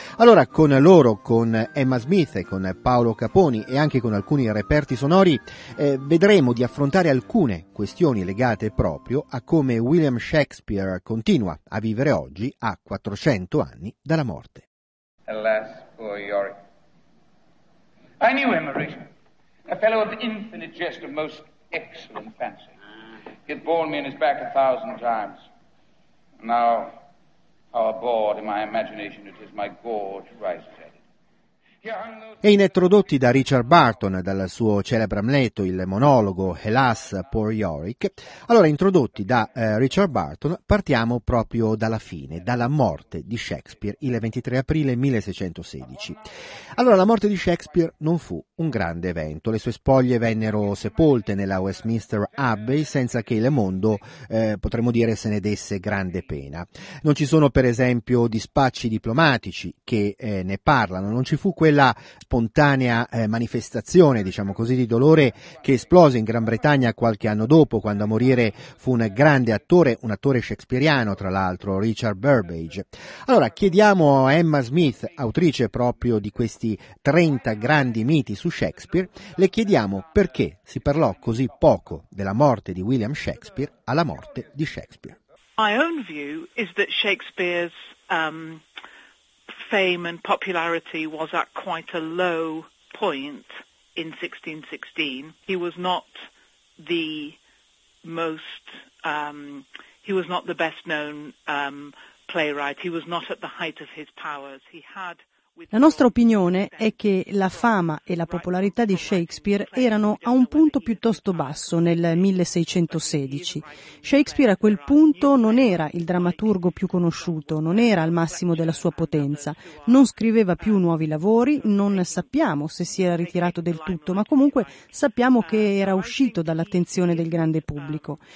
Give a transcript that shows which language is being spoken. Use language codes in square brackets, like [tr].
[it] Allora, con loro, con Emma Smith e con Paolo Caponi e anche con alcuni reperti sonori, vedremo di affrontare alcune questioni legate proprio a come William Shakespeare continua a vivere oggi a 400 anni dalla morte. [en] Alas, poor Yorick. I knew him, Horatio, a fellow of infinite jest of most excellent fancy. He had borne me in his back 1,000 times. Now, how abhorred in my imagination it is my gorge rises. [it] E introdotti da Richard Burton dal suo celebre Amleto, il monologo [en] Alas, poor Yorick. [it] Allora, introdotti da Richard Burton, partiamo proprio dalla fine, dalla morte di Shakespeare il 23 aprile 1616. Allora, la morte di Shakespeare non fu un grande evento. Le sue spoglie vennero sepolte nella Westminster Abbey senza che il mondo, potremmo dire, se ne desse grande pena. Non ci sono, per esempio, dispacci diplomatici che ne parlano, non ci fu quella spontanea manifestazione, diciamo così, di dolore che esplose in Gran Bretagna qualche anno dopo, quando a morire fu un grande attore, un attore shakespeariano tra l'altro, Richard Burbage. Allora, chiediamo a Emma Smith, autrice proprio di questi 30 grandi miti su Shakespeare, le chiediamo perché si parlò così poco della morte di William Shakespeare alla morte di Shakespeare. [en] My own view is that Shakespeare's fame and popularity was at quite a low point in 1616. He was not the most, he was not the best known playwright. He was not at the height of his powers. He had. [it] La nostra opinione è che la fama e la popolarità di Shakespeare erano a un punto piuttosto basso nel 1616. Shakespeare a quel punto non era il drammaturgo più conosciuto, non era al massimo della sua potenza, non scriveva più nuovi lavori, non sappiamo se si era ritirato del tutto, ma comunque sappiamo che era uscito dall'attenzione del grande pubblico.